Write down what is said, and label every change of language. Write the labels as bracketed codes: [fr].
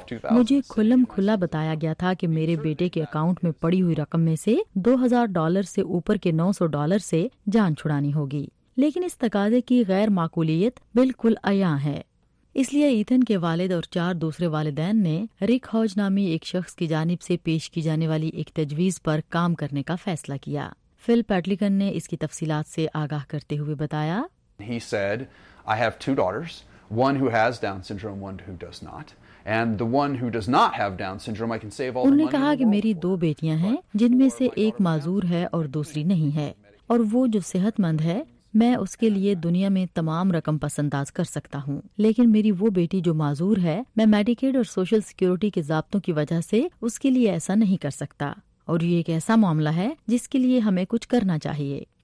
[ur] مجھے کھلم کھلا بتایا گیا تھا کہ میرے بیٹے کے اکاؤنٹ میں پڑی ہوئی رقم میں سے $2,000 سے اوپر کے $900 سے جان چھڑانی ہوگی، لیکن اس تقاضے کی غیر معقولیت بالکل عیاں ہے۔ اس لیے ایتھن کے والد اور چار دوسرے والدین نے رک ہاج نامی ایک شخص کی جانب سے پیش کی جانے والی ایک تجویز پر کام کرنے کا فیصلہ کیا۔ فل پیٹلیکن نے اس کی تفصیلات سے آگاہ کرتے ہوئے بتایا، [en] He said, I have two daughters, one who has Down syndrome, one who does not. And the one who does not have Down syndrome, I can save all the money. [ur] انہوں نے کہا کہ میری دو بیٹیاں ہیں جن میں سے ایک معذور ہے اور دوسری نہیں ہے، اور وہ جو صحت مند ہے میں اس کے لیے دنیا میں تمام رقم پس انداز کر سکتا ہوں، لیکن میری وہ بیٹی جو معذور ہے میں میڈیکیڈ اور سوشل سیکیورٹی کے ضابطوں کی وجہ سے اس کے لیے ایسا نہیں کر سکتا، اور یہ ایک ایسا معاملہ ہے جس کے لیے ہمیں کچھ کرنا چاہیے۔